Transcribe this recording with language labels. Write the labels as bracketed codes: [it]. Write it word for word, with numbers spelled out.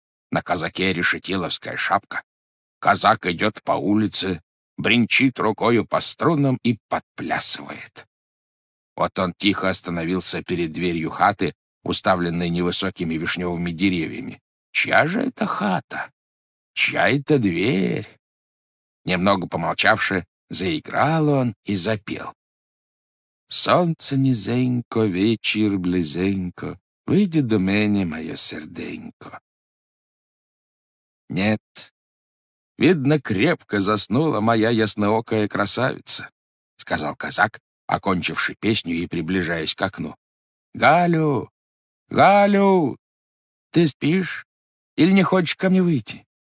[ru] На казаке решетиловская шапка. Казак идет по улице, бренчит рукою по струнам и подплясывает. Вот он тихо остановился перед дверью хаты, уставленной невысокими вишневыми деревьями. Чья же это хата? Чья это дверь? Немного помолчавши, заиграл он и запел. [uk] «Сонце низенько, вечір близенько, вийди до мене, моє серденько». [ru] Нет, видно, крепко заснула моя ясноокая красавица, — сказал казак, окончивший песню и приближаясь к окну. «Галю, Галю, ты спишь или не хочешь ко мне выйти?